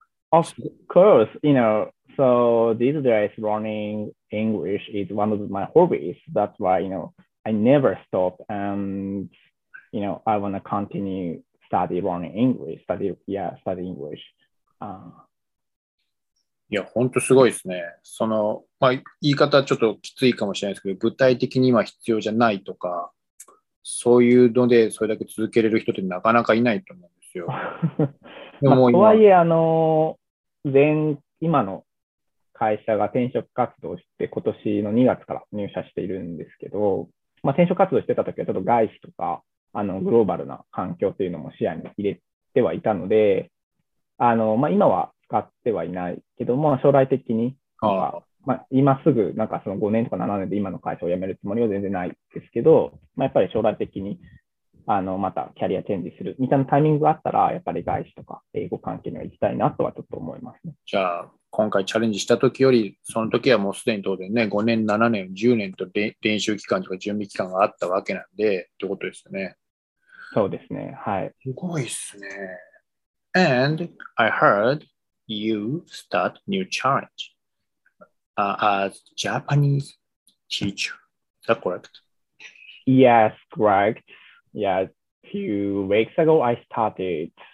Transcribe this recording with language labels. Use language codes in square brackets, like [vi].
[en] Of course, you know, so these days learning English is one of my hobbies. That's why, you know, I never stop and, you know, I want to continue study English. [ja] いや、本当すごいですね。その、まあ、言い方はちょっときついかもしれないですけど、具体的に今必要じゃないとか、そういうので、それだけ続けれる人ってなかなかいないと思うんですよ。でももう今、まあ、とはいえ、あの、今の会社が転職活動して、今年の2月から入社しているんですけど、まあ、転職活動してた時は、ちょっと外資とか、あの、グローバルな環境というのも視野に入れてはいたので、あの、まあ、今は、使ってはいないけども、将来的に、まあ、今すぐなんかその5年とか7年で今の会社を辞めるつもりは全然ないですけど、まあ、やっぱり将来的にあのまたキャリアチェンジするみたいなタイミングがあったら、やっぱり外資とか英語関係には行きたいなとはちょっと思いますね。じゃあ今回チャレンジした時より、その時はもうすでに当然ね、5年7年10年と練習期間とか準備期間があったわけなんでってことですよね。そうですね、はい。すごいですね。 [en] And I heardYou start new challenge as Japanese teacher. Is that correct? Yes, correct. Yeah, few weeks ago I started.